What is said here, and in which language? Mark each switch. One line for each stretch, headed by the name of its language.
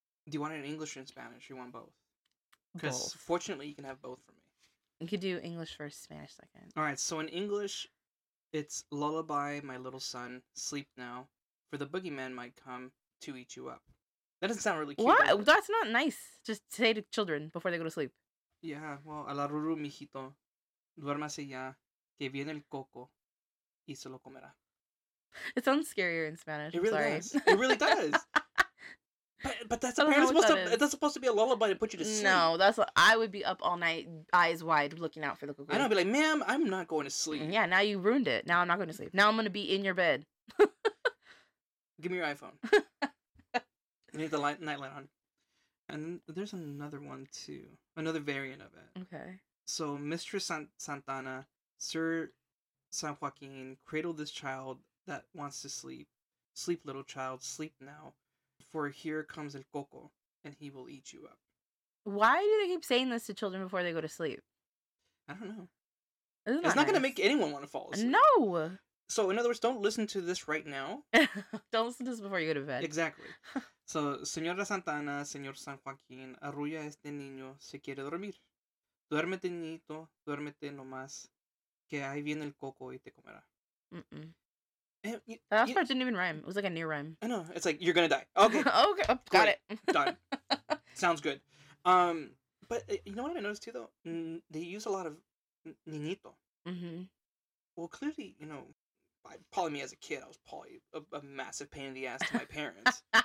English: Do you want it in English or in Spanish? You want both? Because fortunately, you can have both for me. You could do English first, Spanish second. All right. So in English, it's "Lullaby, my little son, sleep now, for the boogeyman might come to eat you up." That doesn't sound really cute. What? Right? That's not nice. Just say to children before they go to sleep. Yeah, well,
Spanish: a la ruru, mijito. Duérmase ya, que viene el coco y se lo comerá.
English: It sounds scarier in Spanish. It really does. It really does. but that's apparently that's supposed to be a lullaby to put you to sleep. No, that's what I would be up all night, eyes wide, looking out for the coco. I'd be like, "Ma'am, I'm not going to sleep." Yeah, now you ruined it. Now I'm not going to sleep. Now I'm going to be in your bed. Give me your iPhone. You need the nightlight on. And there's another one, too. Another variant of it. Okay. So, Mistress Santana, Sir San Joaquin, cradle this child that wants to sleep. Sleep, little child, sleep now. For here comes el coco, and he will eat you up. Why do they keep saying this to children before they go to sleep? I don't know. It's not going to make anyone want to fall asleep. No! So, in other words, don't listen to this right now. Don't listen to this before you go to bed. Exactly.
Spanish: So, Señora Santana, Señor San Joaquín, arrulla este niño, se quiere dormir. Duérmete, niñito, duérmete nomás, que ahí viene el coco y te comerá.
English: That last part didn't even rhyme. It was like a near rhyme. I know. It's like, you're going to die. Okay. Okay. Oh, got it. Done. Sounds good. But you know what I noticed, too, though? They use a lot of niñito. Mm-hmm. Well, clearly, you know, probably me as a kid, I was probably a massive pain in the ass to my parents.